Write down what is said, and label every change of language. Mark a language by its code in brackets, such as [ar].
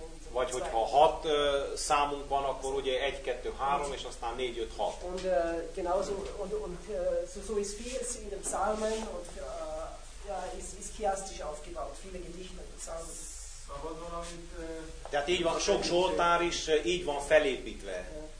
[hu] Vagy hogyha hat számunk van, akkor ugye 1, 2, 3, és aztán 4, 5, 6. [de] Und genauso so ist vieles in den Psalmen und ja, ist chiastisch aufgebaut, viele Gedichte und Psalmen. [hu] Tehát így van, sok zsoltár is így van felépítve.